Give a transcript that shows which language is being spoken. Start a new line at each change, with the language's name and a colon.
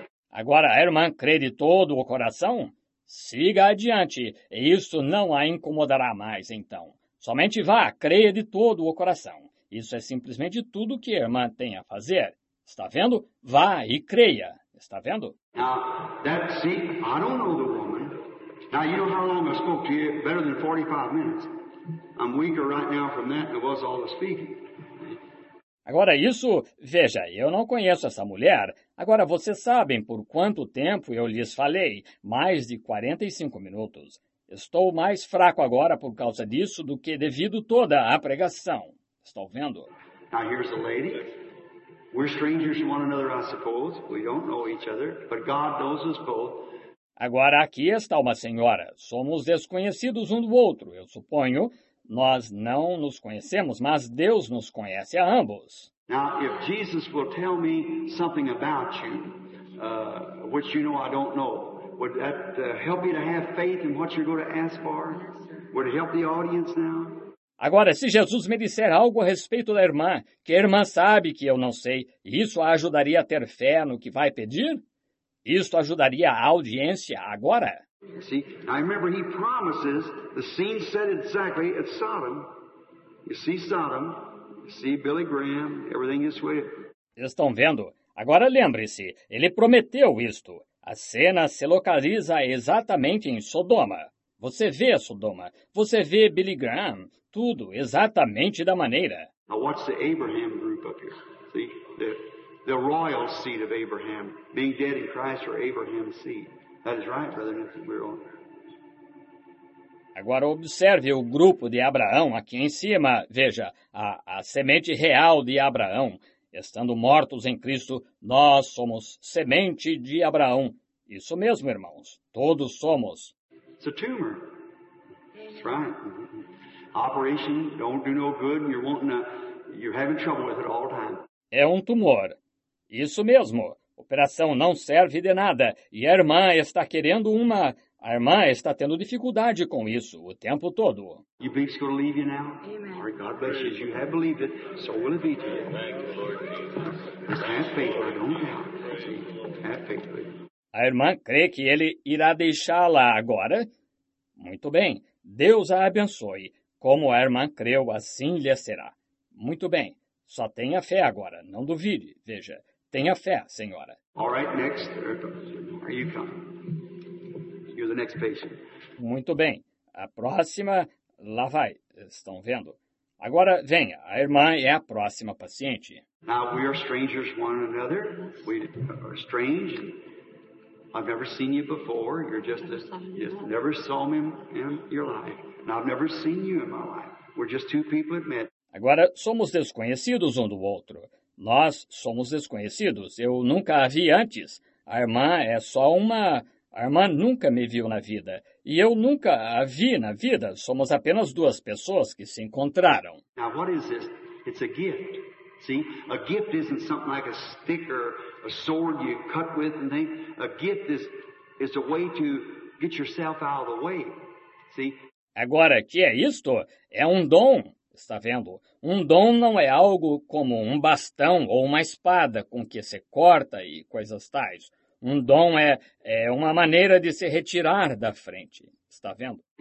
Portuguese: Agora, a irmã crê de todo o coração? Siga adiante e isso não a incomodará mais, então. Somente vá, creia de todo o coração. Isso é simplesmente tudo que a irmã tem a fazer. Está vendo? Vá e creia. Está vendo?
English: Now, that, see, I don't know the woman. Now, you know how long I spoke to you? Better than 45 minutes. I'm weaker right now from that than it was all the speaking.
Portuguese: Agora, isso, veja, eu não conheço essa mulher. Agora, vocês sabem por quanto tempo eu lhes falei. Mais de 45 minutos. Estou mais fraco agora por causa disso do que devido toda a pregação. Estão vendo?
English: Now, here's the lady. We're strangers to one another, I suppose. We don't know each other, but God knows us both.
Portuguese: Agora aqui está uma senhora. Somos desconhecidos um do outro, eu suponho. Nós não nos conhecemos, mas Deus nos conhece a ambos.
English: Now, if Jesus will tell me something about you, which you know I don't know, would that help you to have faith in what you're going to ask for? Would it help the audience now?
Portuguese: Agora, se Jesus me disser algo a respeito da irmã, que a irmã sabe que eu não sei, isso a ajudaria a ter fé no que vai pedir? Isto ajudaria a audiência agora?
English: See, I remember he promises the scene set exactly at Sodom. You see Sodom, you see Billy Graham, everything is with.
Portuguese: Estão vendo? Agora lembre-se, ele prometeu isto. A cena se localiza exatamente em Sodoma. Você vê a Sodoma, você vê Billy Graham, tudo exatamente da maneira.
English: Now watch the Abraham group up here. See? The royal seed of Abraham, being dead in Christ or Abraham's seed. That is right, brother Nathan, we're on.
Portuguese: Agora observe o grupo de Abraão aqui em cima. Veja, a semente real de Abraão. Estando mortos em Cristo, nós somos semente de Abraão. Isso mesmo, irmãos. Todos somos.
English: It's a tumor. That's right. Operation don't do no good. You're having trouble with it all the time.
Portuguese: É um tumor. Isso mesmo. Operação não serve de nada. E a irmã está querendo uma... A irmã está tendo dificuldade com isso o tempo todo.
English: You think it's going to leave you now? Amen. All right, God bless you. You have believed it, so will it be to you. Thank you, Lord Jesus. Have faith, I don't doubt. Have faith, please.
Portuguese: A irmã crê que ele irá deixá-la agora? Muito bem. Deus a abençoe. Como a irmã creu, assim lhe será. Muito bem. Só tenha fé agora. Não duvide. Veja. Tenha fé, senhora.
English: All right, next. Are you coming? The next patient.
Portuguese: Muito bem. A próxima, lá vai. Estão vendo? Agora, venha. A irmã é a próxima paciente.
English: Now, we are strangers one another. We are strange. I've never seen you before. You're just a... Yes, never saw me in your life. And I've never seen you in my life. We're just two people that met.
Portuguese: Agora, somos desconhecidos um do outro. Nós somos desconhecidos. Eu nunca a vi antes. A irmã é só uma... A irmã nunca me viu na vida, e eu nunca a vi na vida. Somos apenas duas pessoas que se encontraram.
English: Now, what is this? It's a gift. See? A gift isn't something like a stick or a sword you cut with and things. A gift is a way to get yourself out of the way. See?
Portuguese: Agora, que é isto? É um dom. Está vendo? Um dom não é algo como um bastão ou uma espada com que se corta e coisas tais. Um dom é uma maneira de se retirar da frente. Está vendo?